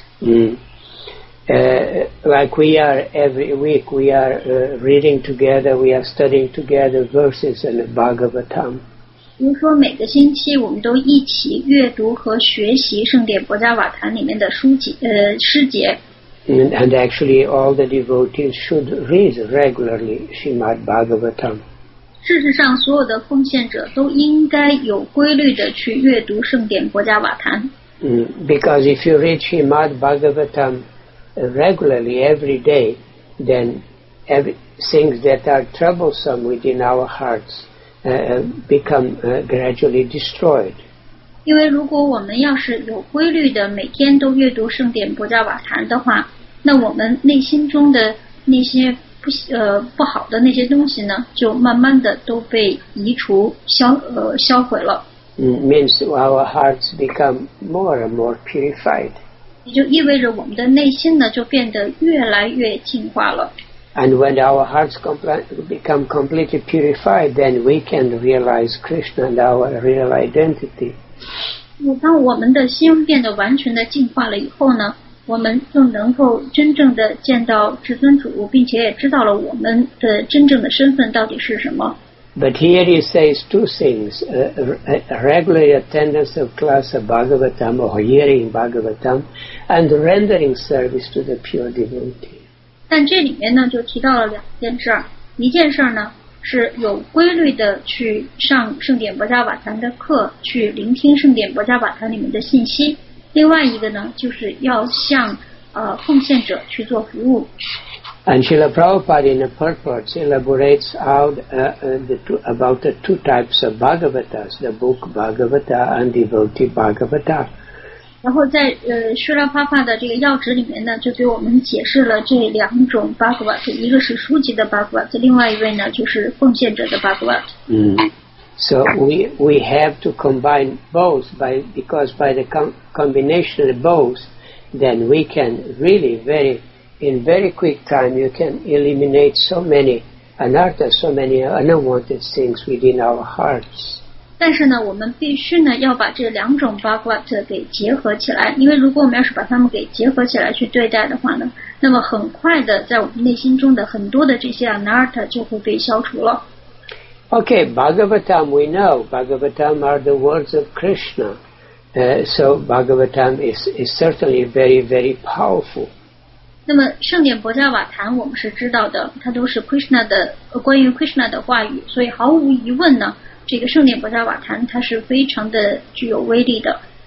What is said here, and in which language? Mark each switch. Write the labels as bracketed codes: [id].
[en] Like we are every week, we are reading together, we are studying together verses in the Bhagavatam. [zh] 比如说每个星期我们都一起阅读和学习圣典佛家瓦坛里面的书籍诗节。 [en] And actually all the devotees should read regularly Srimad Bhagavatam. [zh] 事实上所有的奉献者都应该有规律的去阅读圣典佛家瓦坛。 [en] Because if you read Srimad Bhagavatam regularly every day, then things that are troublesome within our hearts become gradually destroyed. [zh] 因为如果我们要是有规律的每天都阅读圣典博加瓦坛的话，那我们内心中的那些不好的那些东西呢，就慢慢的都被移除销毁了。 [en] Means our hearts become more and more purified. [zh] 也就意味着我们的内心呢，就变得越来越净化了。 [en] And when our hearts become completely purified, then we can realize Krishna and our real identity. [zh] 当我们的心变得完全的净化了以后呢，我们就能够真正的见到至尊主，并且也知道了我们的真正的身份到底是什么。 [en] But here he says two things, regular attendance of class of Bhagavatam or hearing Bhagavatam and rendering service to the pure devotee. [zh] 但这里面呢就提到了两件事，一件事呢是有规律的去上圣典博加瓦坛的课，去聆听圣典博加瓦坛里面的信息，另外一个呢就是要向奉献者去做服务。 [en] And Srila Prabhupada in the purports elaborates out about the two types of Bhagavatas, the book Bhagavata and devotee Bhagavata. [zh] 然后在Srila Prabhupada 的这个要旨里面呢，就给我们解释了这两种 Bhagavat, 一个是书籍的 Bhagavat, 另外一位呢就是奉献者的 Bhagavat. [en] So we have to combine both because by the combination of both, then we can really in very quick time, you can eliminate so many anartha, so many unwanted things within our hearts. [zh] 但是呢，我们必须呢要把这两种 Bhagavat 给结合起来，因为如果我们要是把它们给结合起来去对待的话呢，那么很快的，在我们内心中的很多的这些 anartha 就会被消除了。 [en] Okay, Bhagavatam, we know Bhagavatam are the words of Krishna, so Bhagavatam is certainly very, very powerful. [zh] 那么圣典博加瓦坛我们是知道的，它都是 Krishna 的关于 Krishna 的话语，所以毫无疑问呢，这个圣典博加瓦坛它是非常的具有威力的。